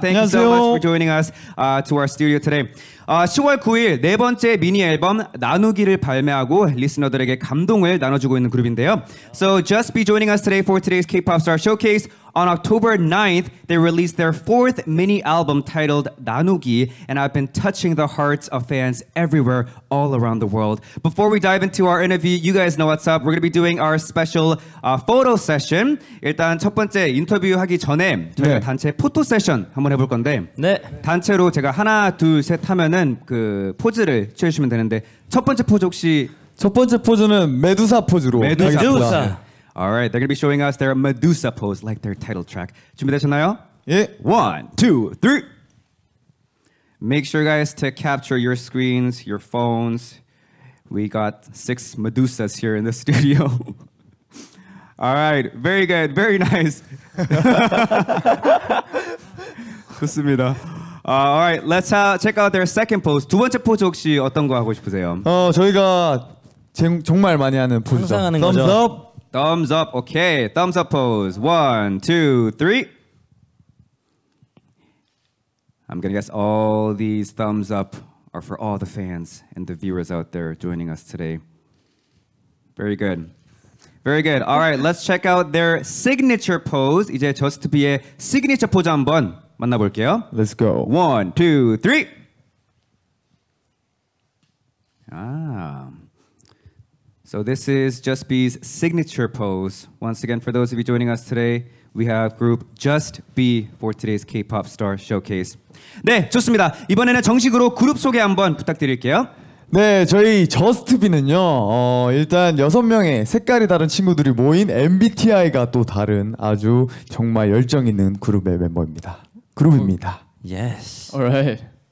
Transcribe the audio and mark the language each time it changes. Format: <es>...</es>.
<en>Thank you so much for joining us to our studio today.</en> <ko>10월 9일 네 번째 미니 앨범 나누기를 발매하고 리스너들에게 감동을 나눠주고 있는 그룹인데요.</ko> <en>So just be joining us today for today's K-pop Star Showcase. On October 9th, they released their fourth mini album titled 나누기, and I've been touching the hearts of fans everywhere all around the world. Before we dive into our interview, you guys know what's up. We're going to be doing our special photo session.</en> <ko>일단 첫 번째 인터뷰 하기 전에 저희가 네. 단체 포토 세션 한번 해볼 건데 네. 단체로 제가 하나, 둘, 셋 하면은 그 포즈를 취해주시면 되는데 첫 번째 포즈 혹시 첫 번째 포즈는 메두사 포즈로 메두사, 메두사.</ko> <en>All right, they're going to be showing us their Medusa pose, like their title track.</en> <ko>준비되셨나요? 예.</ko> <en>One, two, three. Make sure, guys, to capture your screens, your phones. We got six Medusas here in the studio. All right, very good, very nice.</en> <ko>좋습니다.</ko> <en>All right, let's check out their second pose.</en> <ko>두 번째 포즈 혹시 어떤 거 하고 싶으세요? 저희가 정말 많이 하는 포즈죠. 항상 하는</ko> <en>Thumbs</en> <ko>거죠.</ko> <en>Up. Thumbs up, okay. Thumbs up pose. One, two, three. I'm gonna guess all these thumbs up are for all the fans and the viewers out there joining us today. Very good. Very good. All right, let's check out their signature pose.</en> <ko>이제 JUSTB의 signature pose 한번 만나볼게요.</ko> <en>Let's go. One, two, three. Ah. So this is JUSTB's signature pose. Once again, for those of you joining us today, we have group JUSTB for today's K-pop Star Showcase.</en> <ko>네, 좋습니다. 이번에는 정식으로 그룹 소개 한번 부탁드릴게요. 네, 저희 JUSTB는요. 일단 6명의 색깔이 다른 친구들이 모인 MBTI가 또 다른 아주 정말 열정 있는 그룹의 멤버입니다. 그룹입니다.</ko> <en>Yes. All right.</en>